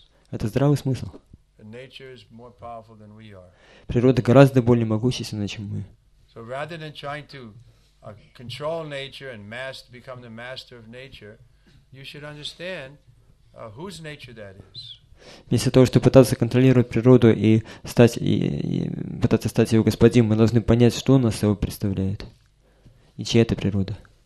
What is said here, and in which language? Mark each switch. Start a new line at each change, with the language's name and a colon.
Russian: Это здравый смысл. Природа гораздо более могущественна, чем мы.
English: So rather than trying to control nature and master, become the master of nature, you should understand whose nature that is.
Russian: Вместо того, чтобы пытаться контролировать природу и пытаться стать ее господином, мы должны понять, что она собой представляет и чья это природа.